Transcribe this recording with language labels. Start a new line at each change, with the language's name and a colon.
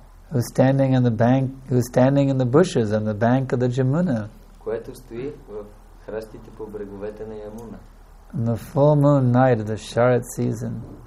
English: Who's standing in the bushes on the bank of the Yamuna.
Bulgarian: Което стои в храстите по бреговете на Ямуна.
English: On the full moon night of the Sharad season.